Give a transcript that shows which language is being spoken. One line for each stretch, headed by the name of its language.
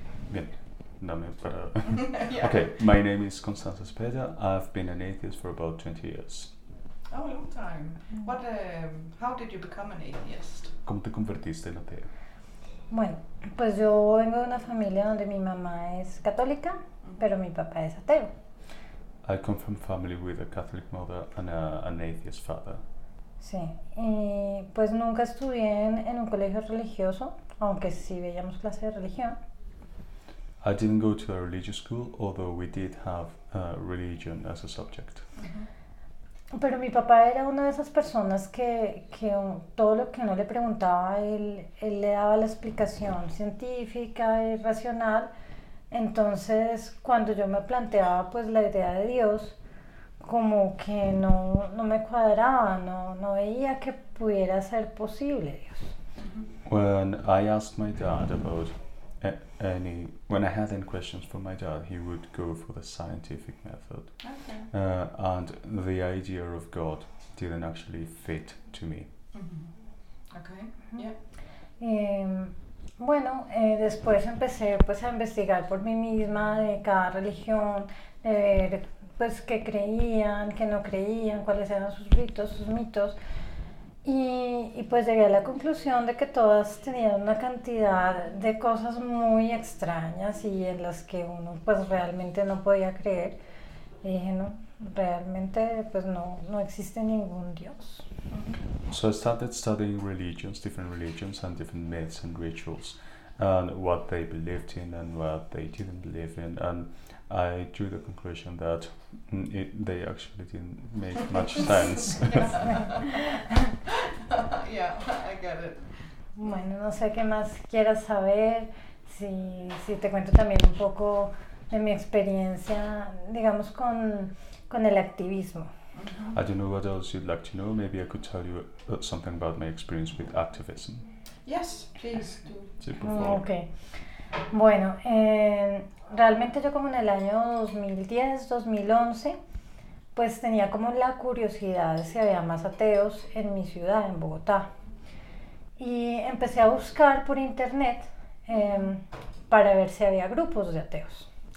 Spanish: Bien, dame para...
English: Yeah. Okay, my name is Constanza Cepeda. I've been an atheist for about 20 years. Oh, a long time. What? How did you become an atheist?
Spanish: ¿Cómo te convertiste en atea? Bueno, pues yo vengo de una familia donde mi mamá es católica, pero mi papá es ateo.
English: I come from a family with a Catholic mother and an atheist father.
Spanish: Sí, y pues nunca estudié en un colegio religioso, aunque sí veíamos clases de religión.
English: I didn't go to a religious school, although we did have religion as a subject.
Spanish: Pero mi papá era una de esas personas que todo lo que uno le preguntaba, él le daba la explicación científica y racional. Entonces, cuando yo me planteaba pues la idea de Dios, como que no me cuadraba, no veía que pudiera ser posible Dios.
English: When I asked my dad about any, when I had any questions for my dad, he would go for the scientific method. Okay. And the idea of God didn't actually fit to me. Mm-hmm. Okay. Yeah.
Spanish: Bueno, después empecé pues a investigar por mí misma de cada religión, de ver pues qué creían, qué no creían, cuáles eran sus ritos, sus mitos, y pues llegué a la conclusión de que todas tenían una cantidad de cosas muy extrañas y en las que uno pues realmente no podía creer. Y dije, no, realmente pues no existe ningún Dios.
English: So I started studying different religions and different myths and rituals, and what they believed in and what they didn't believe in, and I drew the conclusion that they actually didn't make much sense. Yeah, I get it.
Spanish: Bueno, no sé qué más quieras saber, si te cuento también un poco de mi experiencia, digamos, con el activismo.
English: I don't know what else you'd like to know. Maybe I could tell you something about my experience with activism. Yes, please do.
Spanish: Sí, por favor.
English: Okay.
Spanish: Bueno, realmente yo como en el año 2010, 2011, pues tenía como la curiosidad de si había más ateos en mi ciudad, en Bogotá. Y empecé a buscar por internet para ver si había grupos de ateos.